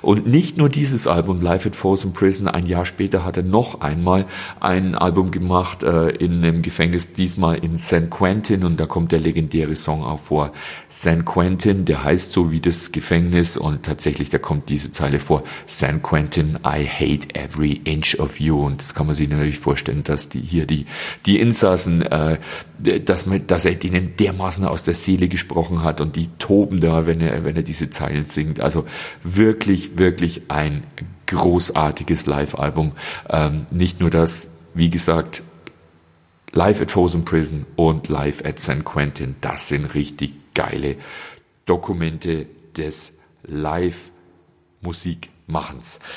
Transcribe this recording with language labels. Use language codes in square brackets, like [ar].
[de] Und nicht nur dieses Album, Life at Folsom Prison, ein Jahr später hat er noch einmal ein Album gemacht in einem Gefängnis, diesmal Nummer in San Quentin und da kommt der legendäre Song auch vor. San Quentin, der heißt so wie das Gefängnis und tatsächlich, da kommt diese Zeile vor. [en] San Quentin, I hate every inch of you. [de] Und das kann man sich natürlich vorstellen, dass die hier die Insassen, dass er denen dermaßen aus der Seele gesprochen hat und die toben da, wenn er diese Zeilen singt. Also wirklich, wirklich ein großartiges Live-Album. Nicht nur das, wie gesagt, Live at Folsom Prison und Live at San Quentin, das sind richtig geile Dokumente des Live-Musikmachens.